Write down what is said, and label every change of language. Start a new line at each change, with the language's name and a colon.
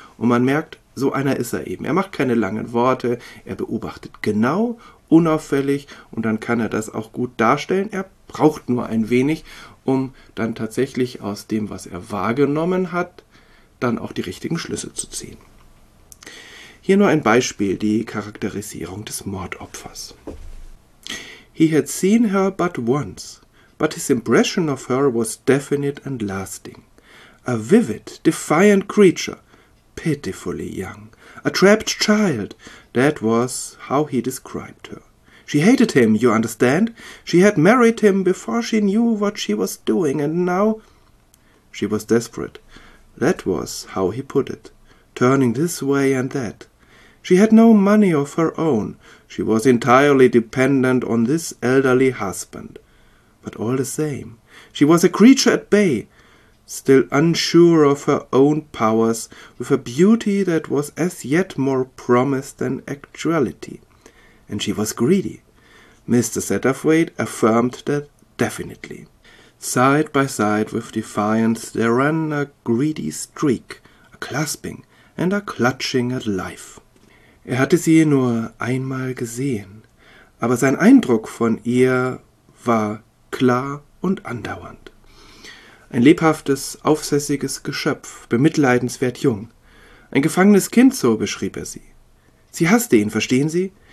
German: Und man merkt, so einer ist er eben. Er macht keine langen Worte, er beobachtet genau, unauffällig und dann kann er das auch gut darstellen. Er braucht nur ein wenig, um dann tatsächlich aus dem, was er wahrgenommen hat, dann auch die richtigen Schlüsse zu ziehen. Hier nur ein Beispiel, die Charakterisierung des Mordopfers.
English: He had seen her but once, but his impression of her was definite and lasting. A vivid, defiant creature, pitifully young. A trapped child, that was how he described her. She hated him, you understand? She had married him before she knew what she was doing, and now... She was desperate. That was how he put it. turning this way and that. She had no money of her own. She was entirely dependent on this elderly husband. But all the same, she was a creature at bay, still unsure of her own powers, with a beauty that was as yet more promise than actuality. And she was greedy. Mr. Satterthwaite affirmed that definitely. Side by side with defiance there ran a greedy streak, a clasping and a clutching at life.
German: Hatte sie nur einmal gesehen, aber sein Eindruck von ihr war klar und andauernd. Ein lebhaftes, aufsässiges Geschöpf, bemitleidenswert jung. Ein gefangenes Kind, so beschrieb er sie. Sie hasste ihn, verstehen Sie?